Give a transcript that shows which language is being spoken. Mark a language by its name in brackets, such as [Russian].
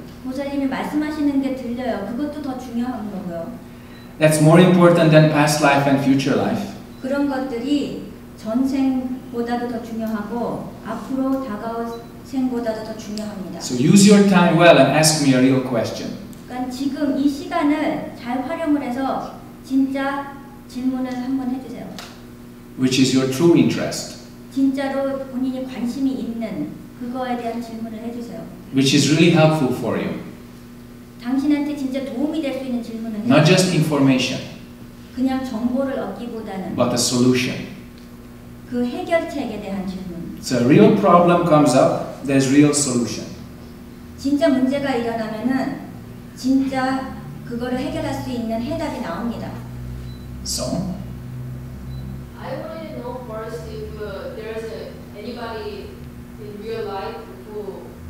[Korean] 보좌님이 말씀하시는 게 들려요. 그것도 더 중요한 거고요. [English] That's more important than past life and future life. [Korean] 그런 것들이 전생보다도 더 중요하고 앞으로 다가올 생보다도 더 중요합니다. [English] So use your time well and ask me a real question. [Korean] 그러니까 지금 이 시간을 잘 활용을 해서 진짜 질문을 한번 해주세요. [English] Which is your true interest? [Korean] 진짜로 본인이 관심이 있는 그거에 대한 질문을 해주세요. [English] Which is really helpful for you. [Korean] 당신한테 진짜 도움이 될 수 있는 질문은 [English] Not just information. [Korean] 그냥 정보를 얻기보다는 [English] But the solution. [Korean] 그 해결책에 대한 질문. [English] So a real problem comes up, there's real solution. [Korean] 진짜 문제가 일어나면은 진짜 그거를 해결할 수 있는 해답이 나옵니다. [English] So? I want to know first if there's anybody in real life who